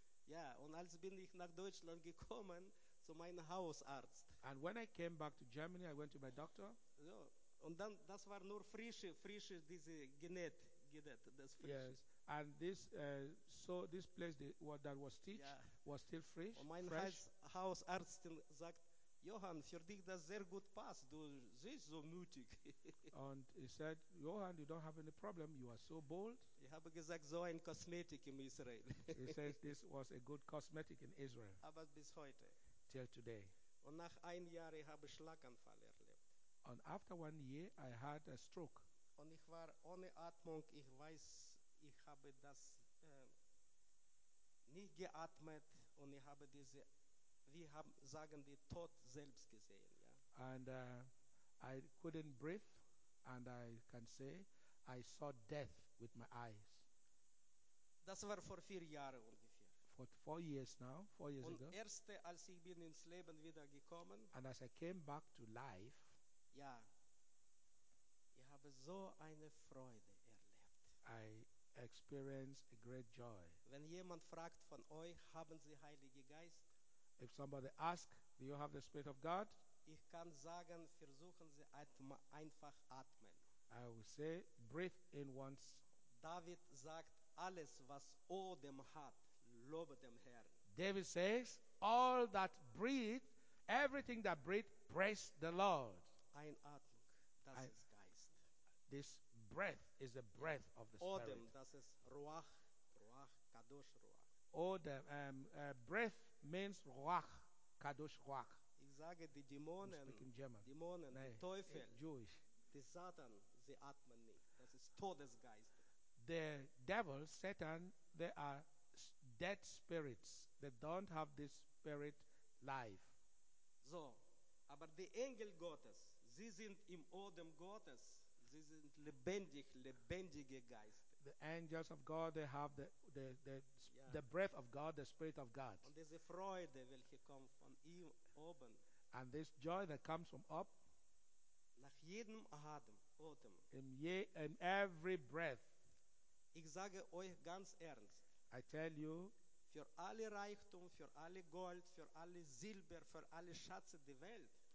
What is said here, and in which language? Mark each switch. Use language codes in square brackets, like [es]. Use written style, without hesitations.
[de] Ja, und als bin ich nach Deutschland gekommen, zu meinem Hausarzt. [en] And when I came back to Germany, I went to my doctor. So. [de] Und dann, das war nur frische, diese genäht, das frische. [en] Yes, and this, so this place, what that was stitched, yeah. Was still fresh. [de] Und mein Hausarzt sagt, Johann, für dich das sehr gut passt. Du siehst so mutig. Und [en] he said, Johann, you don't have any problem. You are so bold. [de] Ich habe gesagt, so ein Kosmetik in Israel. [en] He says, this was a good cosmetic in Israel. [de] Aber bis heute. [en] Till today. [de] Und nach einem Jahr ich habe Schlaganfall erlebt. [en] And after 1 year, I had a stroke. [de] Und ich war ohne Atmung. Ich weiß, ich habe das nicht geatmet und ich habe diese, wir haben sagen die Tod selbst gesehen. Ja. [en] And I couldn't breathe, and I can say I saw death with my eyes. [de] Das war vor 4 Jahren ungefähr. [en] For 4 years now, 4 years [de] und [en] ago. [de] Und erste, als ich bin ins Leben wieder gekommen. [en] And as I came back to life. [de] Ja. Ich habe so eine Freude erlebt. [en] I experience a great joy. [de] Wenn jemand fragt von euch, haben Sie Heilige Geist? [en] If somebody asks, do you have the Spirit of God? [de] Ich kann sagen, versuchen Sie einfach atmen. [en] I will say, breathe in once. [de] David sagt, alles was Odem hat, lobe dem Herrn. [en] David says, all that breathe, everything that breathe, praise the Lord. [de] Einatmung, das ist Geist. [en] This breath is the breath of the Spirit. [de] Odem, das ist Ruach, Ruach, Kadosh Ruach. [en] Odem, breath means Ruach, Kadosh Ruach. [de] Ich sage, die Dämonen, [en] speaking German. [de] Dämonen, nee, die Teufel, [en] Jewish. [de] Die Satan, sie atmen nicht. Das ist Todesgeist. [en] The devil, Satan, they are dead spirits. They don't have this spirit life. [de] So, aber die Engel Gottes, sie sind im Odem Gottes. Sie sind lebendig, lebendige Geister. [en] The angels of God, they have the breath of God, the spirit of God. [de] Und diese Freude, welche kommt von ihm oben. [en] And this joy that comes from up. [de] Nach jedem Atem, Atem. [en] In every breath. [de] Ich sage euch ganz ernst. [en] I tell you. [de] Für alle Reichtum, für alle Gold, für alle Silber, für alle Schätze der Welt.